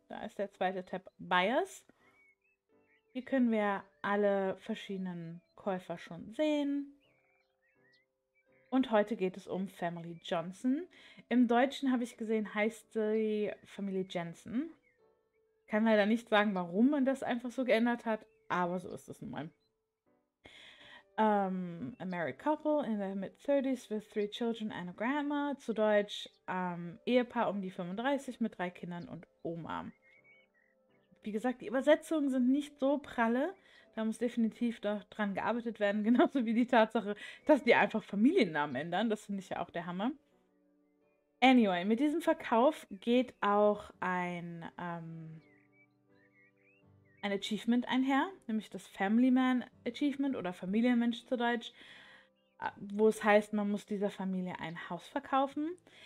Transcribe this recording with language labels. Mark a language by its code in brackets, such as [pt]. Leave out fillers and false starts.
[de] Da ist der zweite Tab Buyers. Hier können wir alle verschiedenen Käufer schon sehen. Und heute geht es um Family Johnson. Im Deutschen habe ich gesehen, heißt sie Familie Jensen. Ich kann leider nicht sagen, warum man das einfach so geändert hat, aber so ist es nun mal. [en] A married couple in their mid-30s with three children and a grandma. [de] Zu Deutsch, Ehepaar um die 35 mit drei Kindern und Oma. Wie gesagt, die Übersetzungen sind nicht so pralle. Da muss definitiv doch dran gearbeitet werden, genauso wie die Tatsache, dass die einfach Familiennamen ändern. Das finde ich ja auch der Hammer. Anyway, mit diesem Verkauf geht auch ein Achievement einher, nämlich das Family Man Achievement oder Familienmensch zu Deutsch, wo es heißt, man muss dieser Familie ein Haus verkaufen.